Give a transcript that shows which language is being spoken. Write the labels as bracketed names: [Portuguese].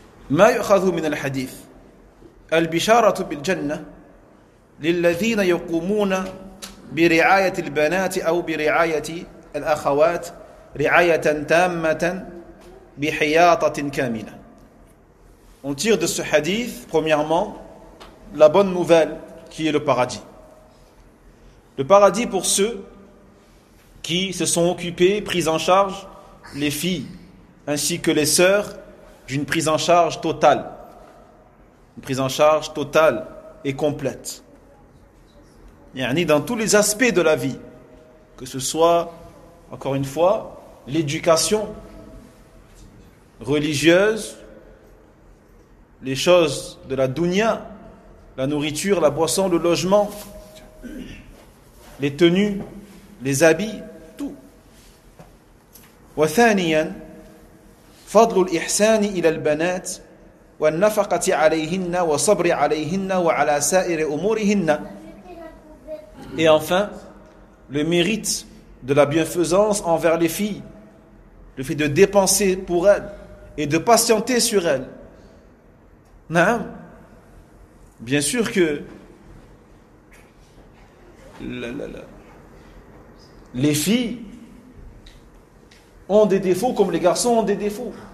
[Arabic] ما يؤخذ من الحديث البشارة بالجنة للذين يقومون برعاية البنات أو برعاية الأخوات رعاية تامة بحياطة كاملة. [French] On tire de ce hadith, premièrement, la bonne nouvelle qui est le paradis. Le paradis pour ceux qui se sont occupés, pris en charge, les filles ainsi que les sœurs, d'une prise en charge totale. Une prise en charge totale et complète. Yani dans tous les aspects de la vie, que ce soit, encore une fois, l'éducation religieuse, les choses de la dunya, la nourriture, la boisson, le logement, les tenues, les habits, tout. [Arabic] وثانياً فضل الإحسان إلى البنات والنفقة عليهن والصبر عليهن وعلى سائر أمورهن. [French] Et enfin, le mérite de la bienfaisance envers les filles, le fait de dépenser pour elles et de patienter sur elles. Naam. Bien sûr que les filles ont des défauts comme les garçons ont des défauts.